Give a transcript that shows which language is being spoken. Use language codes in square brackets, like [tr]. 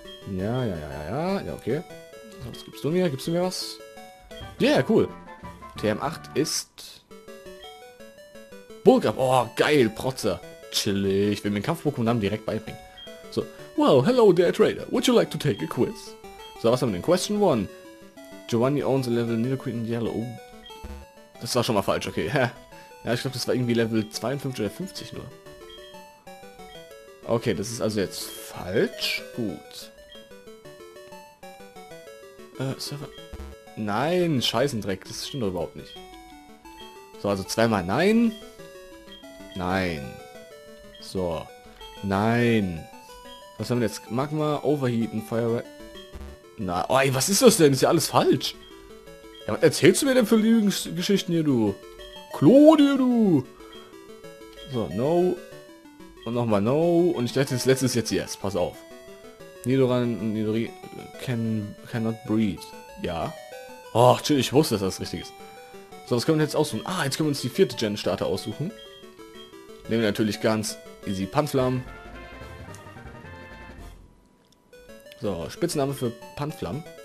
[de] Ja, okay. Was gibst du mir? Gibst du mir was? Ja, yeah, cool. TM8 ist... Bullcrap. Oh, geil, Protzer. Chillig. Ich will mir den Kampf-Pokémon-Namen direkt beibringen. So. [en] Well, hello there, Trader. Would you like to take a quiz? [de] So, was haben wir denn? [en] Question 1. Giovanni owns a level Nidoqueen in Yellow. Oh. [de] Das war schon mal falsch, okay. Ja, ich glaube, das war irgendwie Level 52 oder 50 nur. Okay, das ist also jetzt falsch. Gut. Server. Nein, Scheißendreck, das stimmt doch überhaupt nicht. So, also zweimal nein. Nein. So. Nein. Was haben wir jetzt? Magma, Overheaten, Feuerwehr. Na, oi, was ist das denn? Ist ja alles falsch. Ja, was erzählst du mir denn für Lügengeschichten hier, du? Klo dir, du! So, no. Und nochmal no. Und ich dachte, das letzte ist jetzt yes. Pass auf. [en] Nidoran, Nidori, cannot breed. [de] Ja. Oh, chill, ich wusste, dass das richtig ist. So, was können wir jetzt aussuchen? Ah, jetzt können wir uns die vierte Gen-Starter aussuchen. Nehmen wir natürlich ganz easy Panflam. So, Spitzname für Panflam.